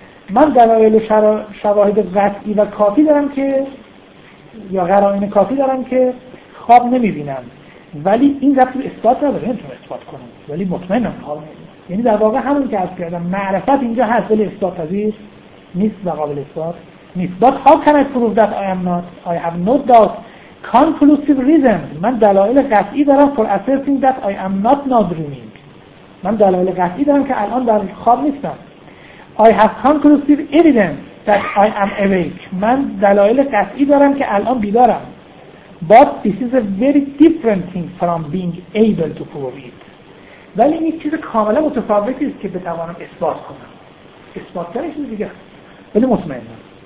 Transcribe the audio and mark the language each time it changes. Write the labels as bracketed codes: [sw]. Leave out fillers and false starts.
[fa] من دلایل و شواهد قطعی و کافی دارم که، یا قرائن کافی دارم که خواب نمیبینم، ولی این رفتی به اثبات رو بگه نمیتونم اثبات کنم ولی مطمئنم خواب نمیبینم. یعنی در واقع همون که عرض کردم معرفت اینجا هست ولی اثبات پذیر نیست و قابل اثبات نیست. [en] But how can I prove that I am not, I have no doubt conclusive reason. [fa] من دلایل قطعی دارم [en] for asserting that I am not now dreaming. [fa] من دلایل قطعی دارم که الان در خواب نیستم. [en] I have conclusive evidence that I am awake. [fa] من دلایل قطعی دارم که الان بیدارم. [en] But this is a very different thing from being able to prove it. [fa] ولی این چیز کاملا متفاوتی است که بتوانم اثبات کنم. اثبات کردنش دیگه. ولی مطمئنم.